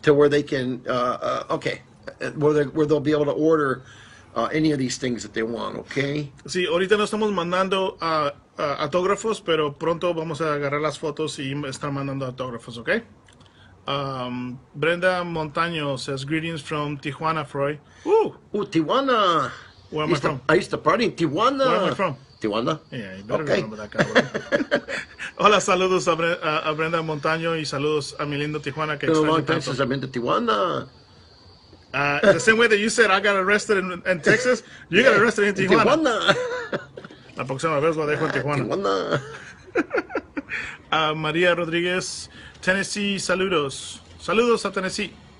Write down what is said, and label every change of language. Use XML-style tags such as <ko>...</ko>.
<en>To where they can, where they'll be able to order any of these things that they want, okay?</en> <es>Sí, ahorita no estamos mandando autógrafos, pero pronto vamos a agarrar las fotos y estar mandando autógrafos, okay?</es> <en>Brenda Montaño says, greetings from Tijuana, Froy. Ooh, Tijuana. Where am I from? I used to party in Tijuana. Where am I from? Tijuana? Yeah, you better okay. Remember that guy.</en> <es>Hola, saludos a Brenda Montaño y saludos a mi lindo Tijuana.</es> <en>It's been a long time since I've been to Tijuana. The same way that you said I got arrested in Texas, you got arrested in Tijuana. Tijuana.</en> <es>La próxima vez lo dejo en Tijuana.</es> <en>Tijuana.</en> <es>María Rodríguez, Tennessee, saludos. Saludos a Tennessee.</es>